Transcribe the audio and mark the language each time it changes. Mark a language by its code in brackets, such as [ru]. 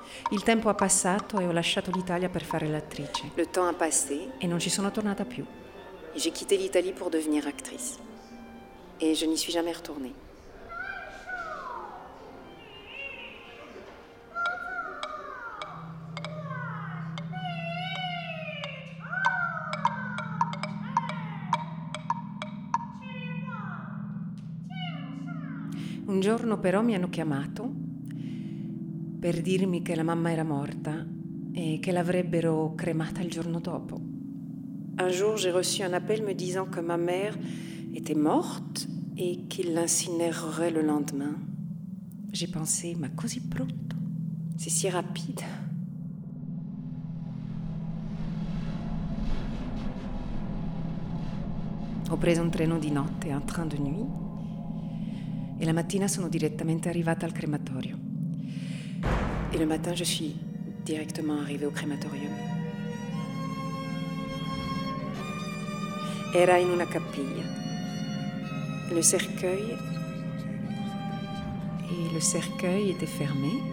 [it] Il tempo ha passato e ho lasciato l'Italia per fare l'attrice. [fr] Le temps a passé [it] e non ci sono tornata più. [fr] J'ai quitté l'Italie pour devenir actrice. Et je n'y suis jamais retournée. [it] Un giorno però mi hanno chiamato per dirmi che la mamma era morta e che l'avrebbero cremata il giorno dopo. Un giorno [fr] j'ai reçu un appel me disant que ma mère était morte et qu'il l'incinérerait le lendemain. J'ai pensé, [it] ma così pronto? [fr] C'est si rapide. [it] Ho preso un treno di notte, [fr] un train de nuit, [it] e la mattina sono direttamente arrivata al crematorio. [fr] Et le matin, je suis directement arrivée au crématorium. [it] Era in una capilla. [fr] Le cercueil était fermé.